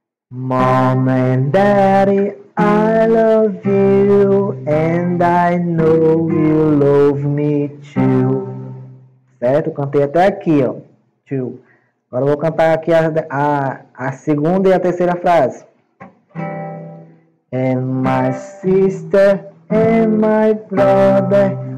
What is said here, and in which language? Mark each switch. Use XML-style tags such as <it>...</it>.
<en>Mom and Daddy, I love you and I know you love me too.</en> <pt>Certo? Cantei até aqui, ó. Too. Agora eu vou cantar aqui a segunda e a terceira frase.</pt> <en>And my sister and my brother.</en>